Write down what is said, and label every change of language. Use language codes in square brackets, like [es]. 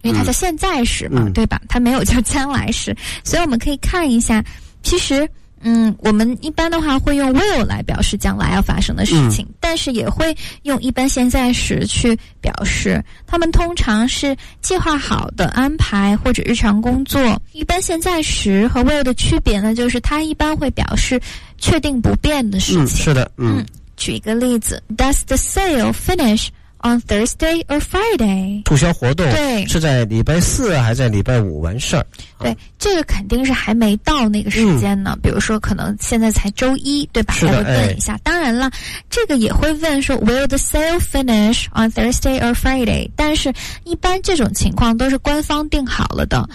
[zh] 因为它叫现在时嘛、嗯、对吧，它没有叫将来时，所以我们可以看一下，其实嗯，我们一般的话会用 will 来表示将来要发生的事情、嗯、但是也会用一般现在时去表示，他们通常是计划好的安排或者日常工作。一般现在时和 will 的区别呢，就是它一般会表示确定不变的事情、嗯、是的。举一个例子， [en] Does the sale finish on Thursday or Friday? [zh] 促销活动对是在礼拜四还在礼拜五完事儿？对，这个肯定是还没到那个时间呢、嗯、比如说可能现在才周一对吧，还会问一下、哎、当然了这个也会问说 [en] will the sale finish on Thursday or Friday, [zh] 但是一般这种情况都是官方定好了的，